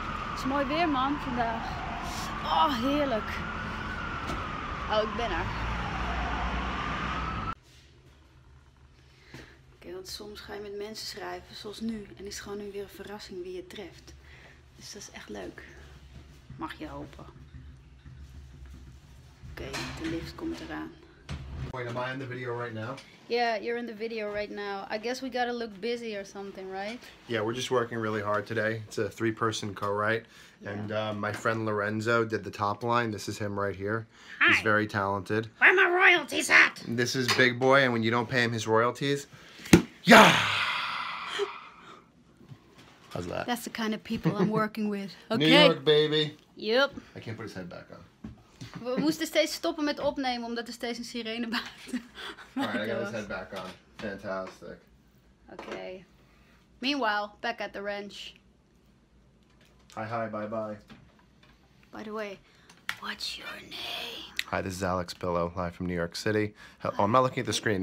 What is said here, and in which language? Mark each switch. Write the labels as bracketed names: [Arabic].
[Dutch] Het is mooi weer, man, vandaag. Oh, heerlijk. Oh, ik ben er. Oké, want soms ga je met mensen schrijven, zoals nu. En is het gewoon nu weer een verrassing wie je treft. Dus dat is echt leuk. Mag je hopen. [English] Okay, the lift comes around. Wait, am I in the video right now? Yeah, you're in the video right now. I guess we gotta look busy or something, right? Yeah, we're just working really hard today. It's a three-person co-write. Yeah. And my friend Lorenzo did the top line. This is him right here. Hi. He's very talented. Where are my royalties at? This is Big Boy, and when you don't pay him his royalties... Yeah! How's that? That's the kind of people I'm working with. Okay. New York, baby. Yep. I can't put his head back on. [Dutch] We moesten steeds stoppen met opnemen, omdat er steeds een sirene buiten. [English] Alright, I got his head back on. Fantastic. Okay. Meanwhile, back at the ranch. Hi, hi, bye bye. By the way, what's your name? Hi, this is Alex Bilo, live from New York City. Oh, I'm not looking at the screen.